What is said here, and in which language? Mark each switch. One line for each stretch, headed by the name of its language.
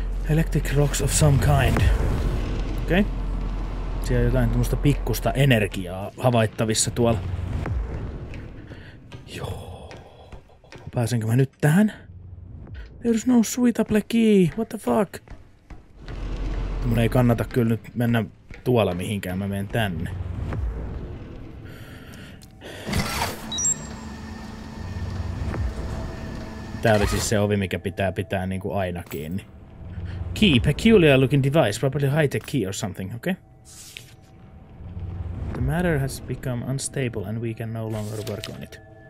English: Electric rocks of some kind. Okei. Okay.
Finnish: Siellä on jotain tuommoista pikkusta energiaa havaittavissa tuolla. Joo. Pääsenkö mä nyt tähän?
English: There's no suitable key. What the fuck?
Finnish: Mun ei kannata kyllä nyt mennä tuolla mihinkään. Mä menen tänne. Tää oli siis se ovi, mikä pitää niinku aina kiinni.
English: Key. Peculiar looking device. Probably high tech key or something. Okay. The matter has become unstable and we can no longer work on it.